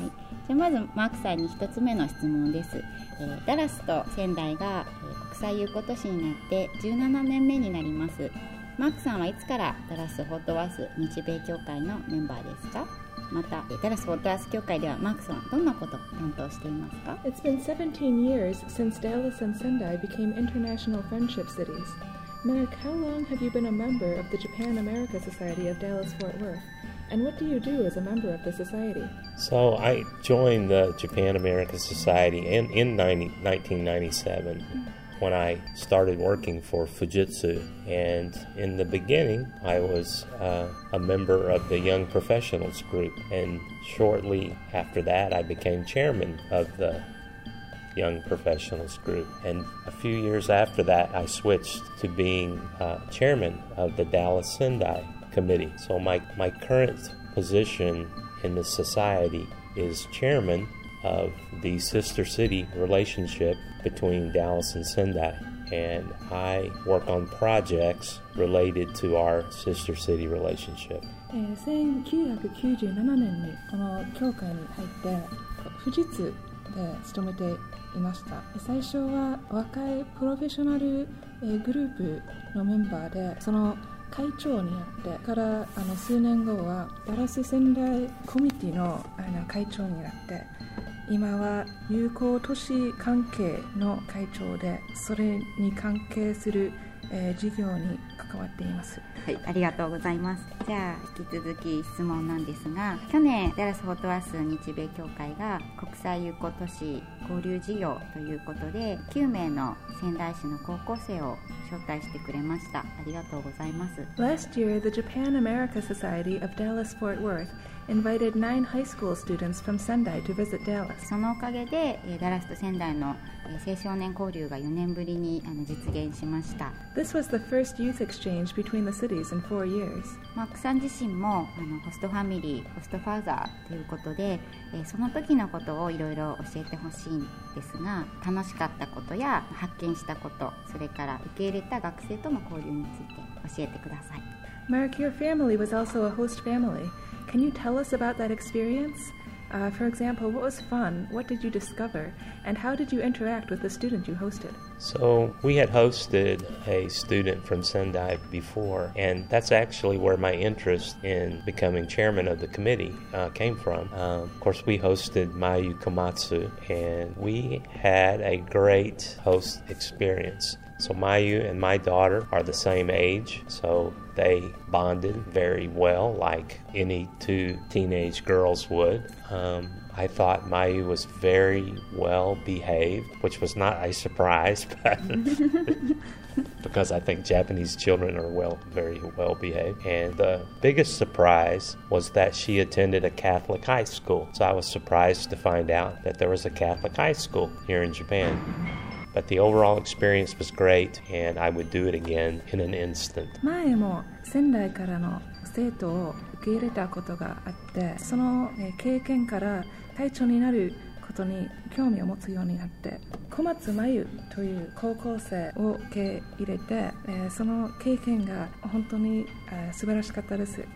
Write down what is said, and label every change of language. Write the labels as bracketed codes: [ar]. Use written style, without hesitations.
[ja] はい、じゃあまずマークさんに一つ目の質問です。ダラスと仙台が国際友好都市になって17年目になります。マークさんはいつからダラスフォートワース日米協会のメンバーですか？またダラスフォートワース協会ではマークさんはどんなことを担当していますか？ [en] It's been 17 years since Dallas and Sendai became international friendship cities. Mark, how long have you been a member of the Japan-America Society of Dallas-Fort Worth? And what do you do as a member of the society? So I joined the Japan-America Society in 1997 when I started working for Fujitsu. And in the beginning, I was a member of the Young Professionals Group. And shortly after that, I became chairman of the Young Professionals Group. And a few years after that, I switched to being chairman of the Dallas Sendai. Committee. So my current position in the society is chairman of the sister city relationship between Dallas and Sendai, and I work on projects related to our sister city relationship. [ja] 1997年にこの協会に入って富士通で勤めていました。最初は若いプロフェッショナルグループのメンバーで、その会長になってから数年後はダラス仙台コミティ の会長になって、今は友好都市関係の会長で、それに関係する、事業に関わっています。はい、ありがとうございます。じゃあ引き続き質問なんですが、去年ダラスフォートワース日米協会が国際友好都市交流事業ということで9名の仙台市の高校生を招待してくれました。ありがとうございます。 [en] Last year the Japan America Society of Dallas Fort Worth invited 9 high school students from Sendai to visit Dallas. [ja] そのおかげでダラスと仙台の青少年交流が4年ぶりに実現しました。 [en] This was the first youth exchange between the cities in 4 years. [ja] マックさん自身もホストファミリー、ホストファーザーということで、その時のことをいろいろ教えてほしいんですが、楽しかったことや発見したこと、それから受け入れた学生との交流について教えてください。 [en] Mark, your family was also a host family. Can you tell us about that experience? For example, what was fun? What did you discover? And how did you interact with the student you hosted? So we had hosted a student from Sendai before, and that's actually where my interest in becoming chairman of the committee came from. Of course, we hosted Mayu Komatsu, and we had a great host experience. So Mayu and my daughter are the same age, so... They bonded very well, like any two teenage girls would. I thought Mayu was very well behaved, which was not a surprise, but because I think Japanese children are very well behaved. And the biggest surprise was that she attended a Catholic high school. So I was surprised to find out that there was a Catholic high school here in Japan. But the overall experience was great, and I would do it again in an instant. [ja] 前も仙台からの生徒を受け入れたことがあって、その経験から会長になることに興味を持つようになって、小松真由という高校生を受け入れて、その経験が本当に素晴らしかったです。